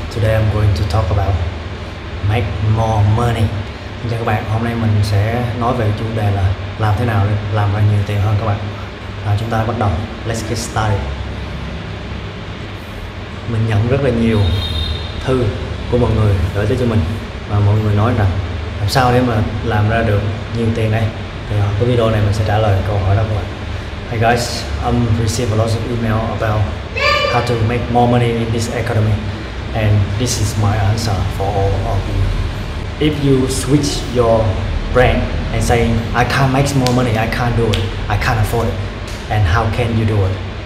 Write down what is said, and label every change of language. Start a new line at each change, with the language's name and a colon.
English: Today I'm going to talk about make more money.
Vietnamese: Xin chào các bạn, hôm nay mình sẽ nói về chủ đề là làm thế nào để làm ra nhiều tiền hơn các bạn. Chúng ta bắt đầu,
English: let's get started.
Vietnamese: Mình nhận rất là nhiều thư của mọi người gửi tới cho mình và mọi người nói rằng làm sao để mà làm ra được nhiều tiền đây. Thì ở cái video này mình sẽ trả lời câu hỏi đó các bạn.
English: Hey guys, I'm receiving a lot of email about how to make more money in this economy, and this is my answer for all of you. If you switch your brain and saying, I can't make more money, I can't do it, I can't afford it, and how can you do it?